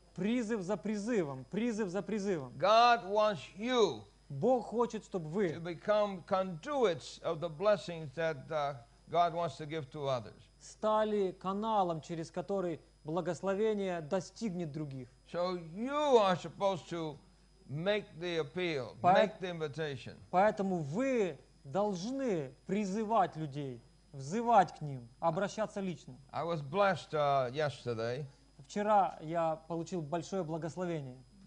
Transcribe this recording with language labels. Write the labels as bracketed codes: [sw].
[ru] Призыв за призывом, призыв за призывом. [en] God wants you. [ru] Бог хочет, чтобы вы. [en] To become conduits of the blessings that God wants to give to others. [ru] Стали каналом, через который благословение достигнет других. [en] So you are supposed to make the appeal, make the invitation. [ru] Поэтому вы должны призывать людей, взывать к ним, обращаться лично. [en] I was blessed yesterday. [ru] Вчера я получил большое благословение.